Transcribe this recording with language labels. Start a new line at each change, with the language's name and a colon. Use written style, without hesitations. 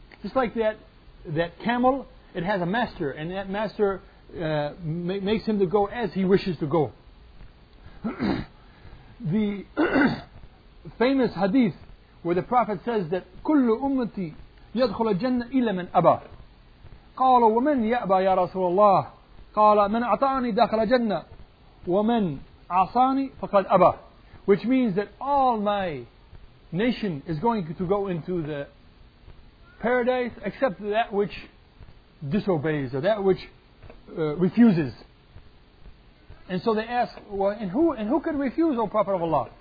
English: Just like that camel, it has a master, and that master makes him to go as he wishes to go. The famous hadith where the Prophet says that
Arabic: كل أمتي يدخل الجنة إلا من أبا. قال ومن يأبى يا رسول الله. قال من أعطاني دخل الجنة ومن عصاني فقد أبى.
English: Which means that all my nation is going to go into the paradise except that which disobeys or that which refuses. And so they ask, well, and who could refuse, O Prophet of Allah?